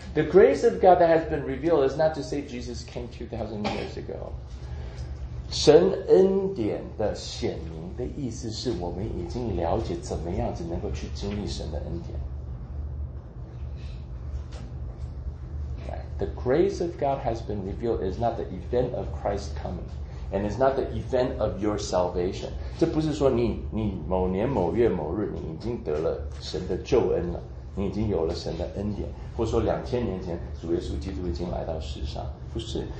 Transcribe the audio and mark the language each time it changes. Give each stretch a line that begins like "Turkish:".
English: The grace of God that has been revealed is not to say Jesus came 2000 years ago。
Chinese: 神恩典的显明的意思是我们已经了解怎么样子能够去经历神的恩典。
English: The grace of God has been revealed is not the event of Christ's coming. And it's not the event of your salvation.
Chinese: 这不是说你某年某月某日你已经得了神的救恩了，你已经有了神的恩典，或说2000年前主耶稣基督已经来到世上，不是。